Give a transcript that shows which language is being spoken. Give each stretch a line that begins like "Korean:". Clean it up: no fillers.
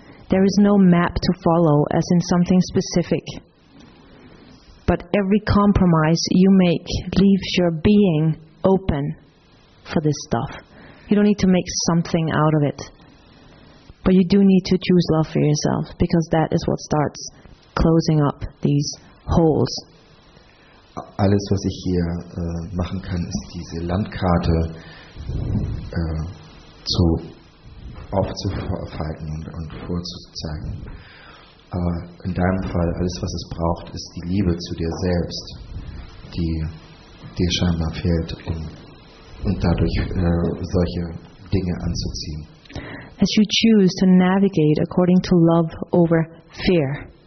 English: There is no map to follow as in something specific. But every compromise you make leaves your being open for this stuff. You don't need to make something out of it. But you do need to choose love for yourself, because that is what starts closing up these holes.
German: Alles, was ich hier machen kann, ist diese Landkarte zu aufzufalten und vorzuzeigen. Aber in deinem Fall, alles, was es braucht, ist die Liebe zu dir selbst, die dir scheinbar fehlt, um dadurch solche Dinge anzuziehen.
English: As you choose to navigate according to love over fear.